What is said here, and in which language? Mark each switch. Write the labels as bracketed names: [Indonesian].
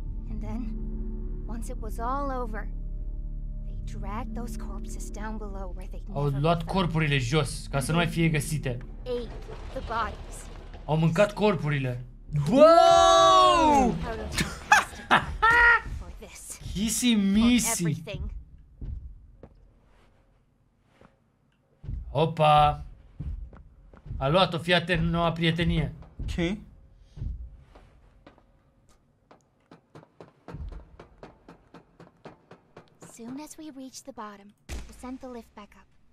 [English] And then, once it was all over, they dragged those corpses down below where they [Romanian] au luat corpurile jos ca să nu mai fie găsite. [English] Ate the bodies. [Romanian] Au mâncat corpurile. Wow! [English] Kissy missy. Opa. [Romanian] A luat o fiată noua prietenie. [English] Ok. Soon as we reach the bottom, we sent the lift back up.